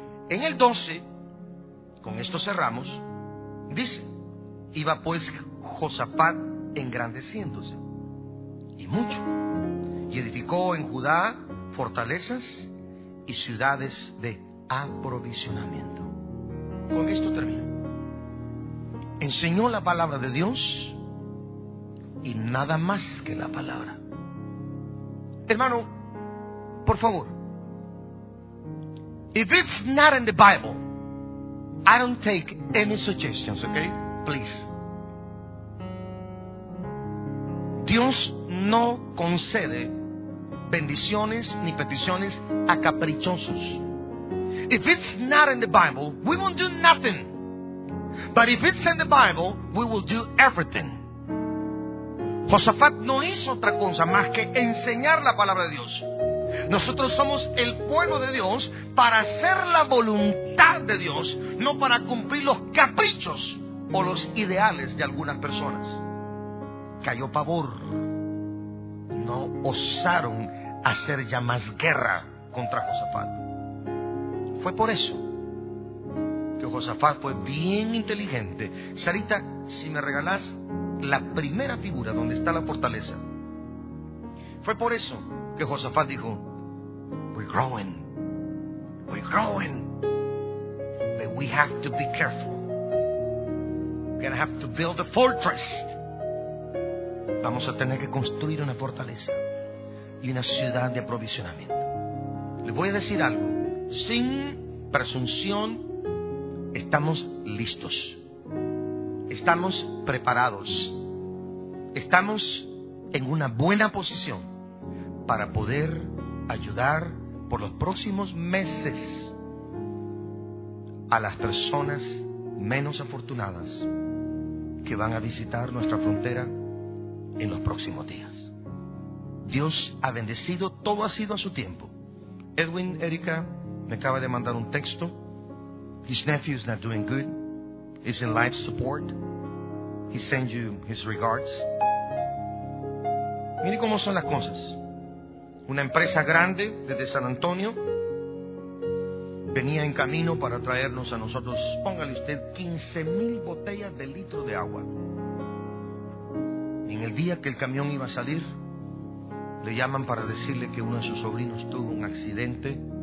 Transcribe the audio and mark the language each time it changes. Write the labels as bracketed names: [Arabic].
[Spanish] En el 12, con esto cerramos, dice, iba pues Josafat engrandeciéndose, y mucho, y edificó en Judá fortalezas y ciudades de aprovisionamiento. Con esto termino. Enseñó la palabra de Dios, y nada más que la palabra. Hermano, por favor, [English] if it's not in the Bible, I don't take any suggestions, okay? Please. [Spanish] Dios no concede bendiciones ni peticiones a caprichosos. [English] If it's not in the Bible, we won't do nothing. But if it's in the Bible, we will do everything. [Spanish] Josafat no hizo otra cosa más que enseñar la palabra de Dios. Nosotros somos el pueblo de Dios para hacer la voluntad de Dios, no para cumplir los caprichos o los ideales de algunas personas. Cayó pavor. No osaron hacer ya más guerra contra Josafat. Fue por eso que Josafat fue bien inteligente. Sarita, si me regalás la primera figura donde está la fortaleza. Fue por eso que Josafat dijo, [English] We're growing. But we have to be careful. We're going to have to build a fortress. [Spanish] Vamos a tener que construir una fortaleza y una ciudad de aprovisionamiento. Les voy a decir algo. Sin presunción, estamos listos. Estamos preparados. Estamos en una buena posición para poder ayudar por los próximos meses a las personas menos afortunadas que van a visitar nuestra frontera en los próximos días. Dios ha bendecido, todo ha sido a su tiempo. Edwin, Erika, me acaba de mandar un texto. [English] His nephew is not doing good. He's in life support. He sends you his regards. [Spanish] Mire cómo son las cosas. Una empresa grande desde San Antonio venía en camino para traernos a nosotros, póngale usted, 15,000 botellas de litro de agua. Y en el día que el camión iba a salir, le llaman para decirle que uno de sus sobrinos tuvo un accidente.